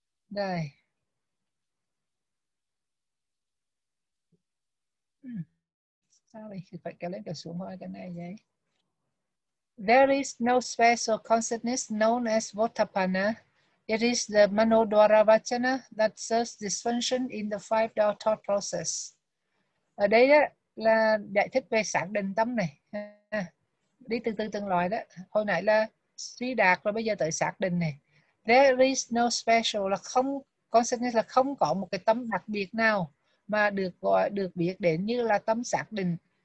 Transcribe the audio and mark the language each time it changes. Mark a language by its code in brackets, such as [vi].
[vi] Đây. Sao vậy? Phải kéo lên kéo xuống thôi cái này vậy. [en] There is no special consciousness known as Vottapanna. It is the Manodwara Vachana that serves this function in the five door thought process. [vi] Ở đây đó là giải thích về xác định tâm này. Đi từ từ từng loại đó. Hồi nãy là suy đạt rồi bây giờ tới xác định này. [en] There is no special [vi] là không, consciousness là không có một cái tâm đặc biệt nào mà được gọi, được biết đến như là tâm xác định.